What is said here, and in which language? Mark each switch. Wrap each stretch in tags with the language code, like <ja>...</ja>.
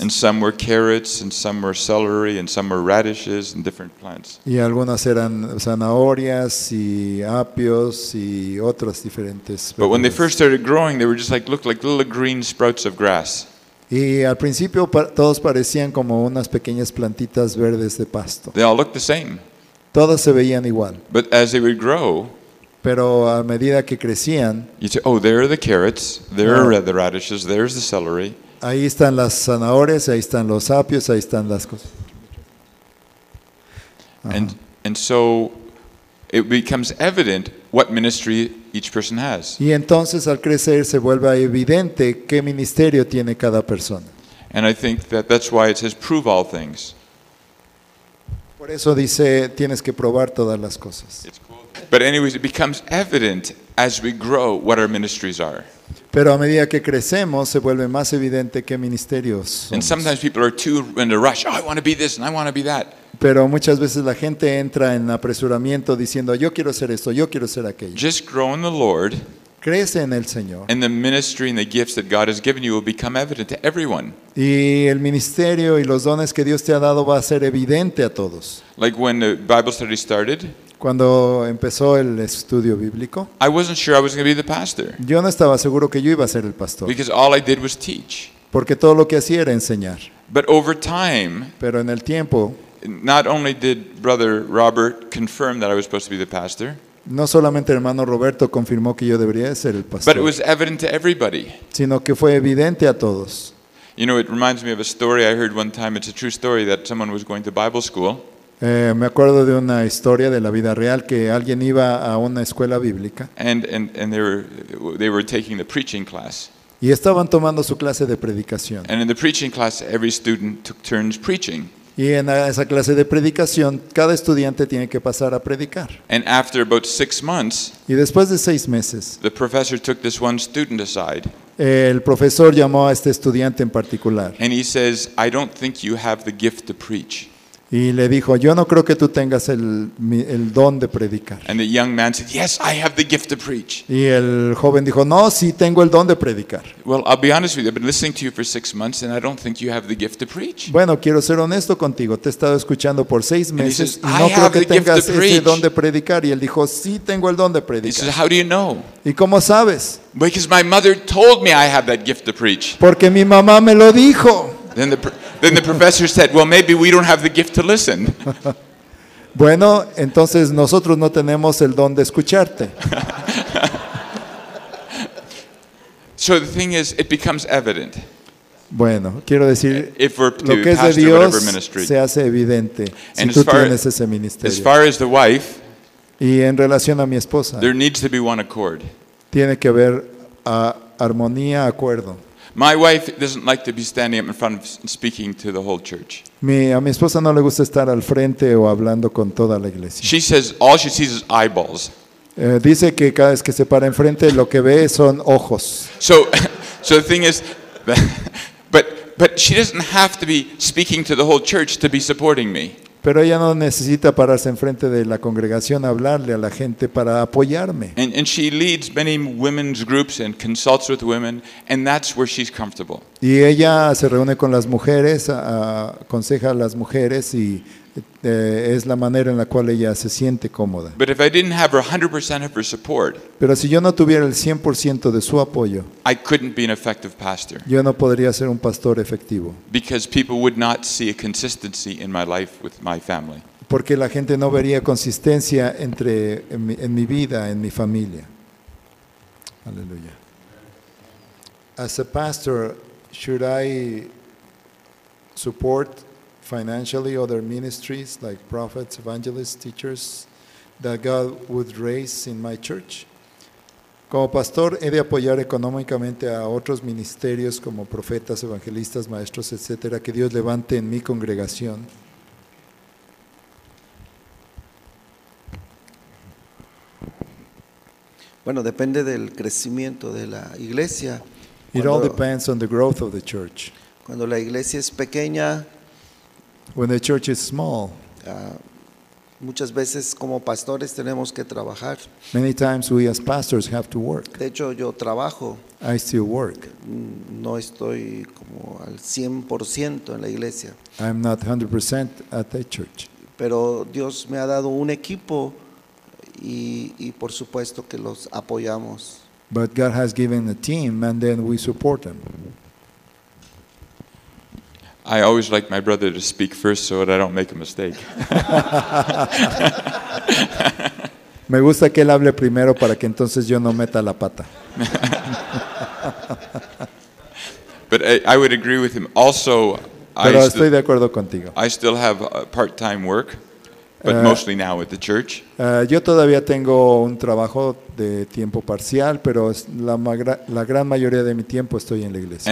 <en>And some were carrots, and some were celery, and some were radishes, and different plants.</en> <es>Y algunas eran zanahorias y apios y otras diferentes.</es> <en>But when they first started growing, they were just like looked like little green sprouts of grass.</en> <es>Y al principio todos parecían como unas pequeñas plantitas verdes de pasto.</es> <en>They all looked the same.</en> <es>Todas se veían igual.</es> <en>But as they would grow.</en> <es>Pero a medida que crecían,</es> <en>you say, oh, there are the carrots, there are the radishes, there's the celery.</en> <es>Ahí están las zanahorias, ahí están los apios, ahí están las cosas.</es> <en>And so it becomes evident what ministry each person has.</en> <es>Y entonces al crecer se vuelve evidente qué ministerio tiene cada persona.</es> <en>And I think that's why it says prove all things.</en> <es>Por eso dice tienes que probar todas las cosas.</es> <en>But anyways, it becomes evident as we grow what our ministries are.</en> <es>Pero a medida que crecemos, se vuelve más evidente qué ministerios somos.</es> <en>And sometimes people are too in a rush. Oh, I want to be this and I want to be that.</en> <es>Pero muchas veces la gente entra en apresuramiento diciendo, yo quiero ser esto, yo quiero ser aquello.</es> <en>Just grow in the Lord.</en> <es>Crece en el Señor.</es> <en>And the ministry and the gifts that God has given you will become evident to everyone.</en> <es>Y el ministerio y los dones que Dios te ha dado va a ser evidente a todos.</es> <en>Like when the Bible study started.</en> <es>Cuando empezó el estudio bíblico,</es> <en>I wasn't sure I was going to be the pastor.</en> <es>Yo no estaba seguro que yo iba a ser el pastor.</es> <en>Because all I did was teach.</en> <es>Porque todo lo que hacía era enseñar.</es> <en>But over time,</en> <es>pero en el tiempo,</es> <en>not only did Brother Robert confirm that I was supposed to be the pastor,</en> <es>no solamente el hermano Roberto confirmó que yo debería ser el pastor,</es> <en>but it was evident to everybody.</en> <es>Sino que fue evidente a todos.</es> <en>You know, it reminds me of a story I heard one time. It's a true story that someone was going to Bible school.</en> <es>Me acuerdo de una historia de la vida real que alguien iba a una escuela bíblica.</es> <en>And they were taking the preaching class.</en> <es>Y estaban tomando su clase de predicación.</es> <en>And in the preaching class, every student took turns preaching.</en> <es>Y en esa clase de predicación, cada estudiante tiene que pasar a predicar.</es> <en>And after about 6 months,</en> <es>y después de 6 meses,</es> <en>the professor took this one student aside.</en> <es>El profesor llamó a este estudiante en particular.</es> <en>And he says, "I don't think you have the gift to preach."</en> <es>Y le dijo, yo no creo que tú tengas el don de predicar.</es> <en>And the young man said, yes, I have the gift to preach.</en> <es>Y el joven dijo, no, sí tengo el don de predicar.</es> <en>Well, I'll be honest with you, I've been listening to you for 6 months and I don't think you have the gift to preach.</en> <es>Bueno, quiero ser honesto contigo, te he estado escuchando por 6 meses y no creo que tengas ese don de predicar. Y él dijo, sí tengo el don de predicar.</es> <en>He says, how do you know?</en> <es>¿Y cómo sabes?</es> <en>Because my mother told me I have that gift to preach.</en> <es>Porque mi mamá me lo dijo.</es> <en>Then the professor said, "Well, maybe we don't have the gift to listen."</en> <es>Bueno, entonces nosotros no tenemos el don de escucharte.</es> <en>So the thing is, it becomes evident.</en> <es>Bueno, quiero decir,</es> <en>if we're</en> <es>lo que es de Dios</es> <en>ministry,</en> <es>se hace evidente si tú tienes ese ministerio.</es> <en>As far as the wife,</en> <es>y en relación a mi esposa,</es> <en>there needs to be one accord.</en> <es>Tiene que haber armonía, acuerdo.</es> <en>My wife doesn't like to be standing up in front of speaking to the whole church.</en> <es>A mi esposa no le gusta estar al frente o hablando con toda la iglesia.</es> <en>She says all she sees is eyeballs.</en> <es>Dice que cada vez que se para enfrente lo que ve son ojos.</es> <en>So the thing is, but she doesn't have to be speaking to the whole church to be supporting me.</en> <es>Pero ella no necesita pararse enfrente de la congregación, hablarle a la gente para apoyarme.</es> <en>And she leads many women's groups and consults with women, and that's where she's comfortable.</en> <es>Y ella se reúne con las mujeres, aconseja a las mujeres y es la manera en la cual ella se siente cómoda.</es> <en>But if I didn't have 100% of her support,</en> <es>pero si yo no tuviera el 100% de su apoyo,</es> <en>I couldn't be an effective pastor.</en> <es>Yo no podría ser un pastor efectivo.</es> <en>Because people would not see a consistency in my life with my family.</en> <es>Porque la gente no vería consistencia en mi vida, en mi familia. Aleluya.</es> <en>As a pastor, should I support financially other ministries like prophets, evangelists, teachers that God would raise in my church?</en> <es>Como pastor, he de apoyar económicamente a otros ministerios como profetas, evangelistas, maestros, etcétera, que Dios levante en mi congregación. Bueno, depende del crecimiento de la iglesia.</es> <en>It all depends on the growth of the church.</en> <es>Cuando la iglesia es pequeña,</es> <en>when the church is small,</en> <es>muchas veces como pastores tenemos que trabajar.</es> <en>Many times we as pastors have to work.</en> <es>De hecho, yo trabajo.</es> <en>I still work.</en> <es>No estoy como al 100% en la iglesia.</es> <en>I'm not 100% at the church.</en> <es>Pero Dios me ha dado un equipo y por supuesto que los apoyamos.</es> <en>But God has given a team and then we support them. I always like my brother to speak first so that I don't make a mistake.</en> <es>Me gusta que él hable primero para que entonces yo no meta la pata.</es> <en>But I would agree with him. Also,</en> <es>pero estoy de acuerdo contigo.</es> <en>I still have part-time work, but mostly now with the church.</en> <es>Yo todavía tengo un trabajo de tiempo parcial, pero la gran mayoría de mi tiempo estoy en la iglesia.</es>